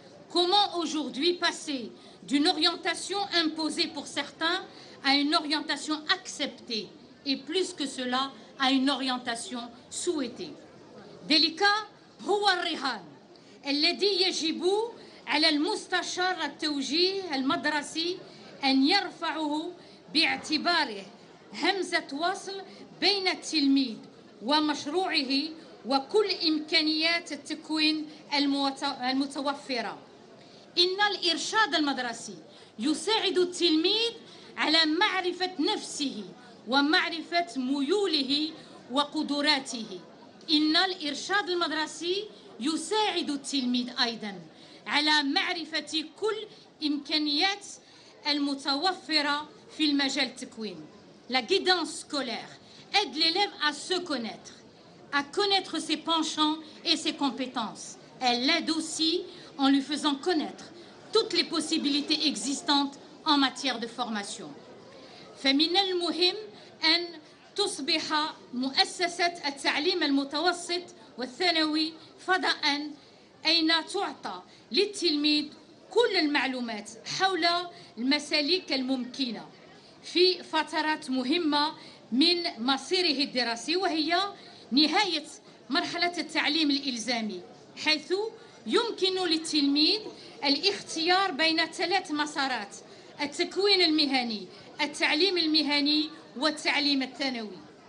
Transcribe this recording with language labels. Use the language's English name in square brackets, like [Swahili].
[French] Comment aujourd'hui passer d'une orientation imposée pour certains à une orientation acceptée et plus que cela à une orientation souhaitée. [Arabic] Délika هو الرهان الذي يجب على المستشار التوجيه المدرسي أن يرفعه باعتباره همزة وصل بين التلميذ ومشروعه وكل إمكانيات التكوين المتوفرة. إن الإرشاد المدرسي يساعد التلميذ على معرفة نفسه ومعرفة ميوله وقدراته. إن الإرشاد المدرسي يساعد التلميذ أيضا على معرفة كل إمكانيات المتوفرة في المجال التكوين. [French] La guidance scolaire aide l'élève à se connaître, à connaître ses penchants et ses compétences. Elle l'aide aussi en lui faisant connaître toutes les possibilités existantes en matière de formation. [Arabic] فمن المهم أن تصبح مؤسسة التعليم المتوسط والثانوي فضاءً أين تعطى للتلميذ كل المعلومات حول المسالك الممكنة في فترات مهمة من مصيره الدراسي، وهي نهاية مرحلة التعليم الإلزامي، حيث يمكن للتلميذ الاختيار بين ثلاث مسارات: التكوين المهني، التعليم المهني، والتعليم الثانوي.